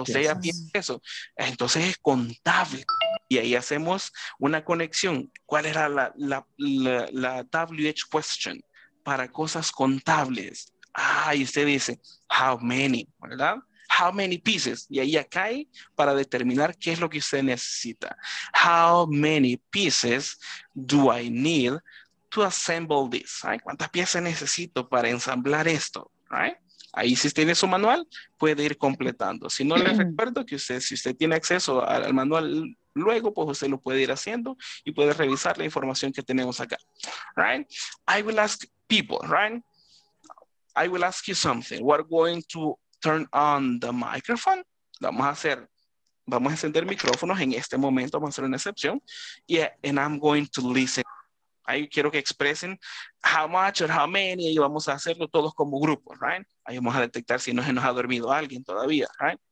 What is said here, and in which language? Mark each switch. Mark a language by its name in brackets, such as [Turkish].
[Spanish] Usted ya piensa eso. Entonces, es contable. Y ahí hacemos una conexión. ¿Cuál era la WH question? Para cosas contables. Y usted dice, [English] how many, [Spanish] ¿verdad? [English] How many pieces? [Spanish] Y ahí acá hay para determinar qué es lo que usted necesita. [English] How many pieces do I need to assemble this? [Spanish] ¿Ay? ¿Cuántas piezas necesito para ensamblar esto? ¿Right? Ahí si tiene su manual, puede ir completando. Si no, les recuerdo que usted, si usted tiene acceso al manual luego, pues usted lo puede ir haciendo y puede revisar la información que tenemos acá. [English] ¿Right? I will ask people, right? I will ask you something. We're going to turn on the microphone. [Spanish] Vamos a encender micrófonos en este momento, vamos a hacer una excepción. [English] Yeah, and I'm going to listen. [Spanish] Ahí quiero que expresen [English] how much or how many, [Spanish] y vamos a hacerlo todos como grupo, right? Ahí vamos a detectar si no se nos ha dormido alguien todavía, right?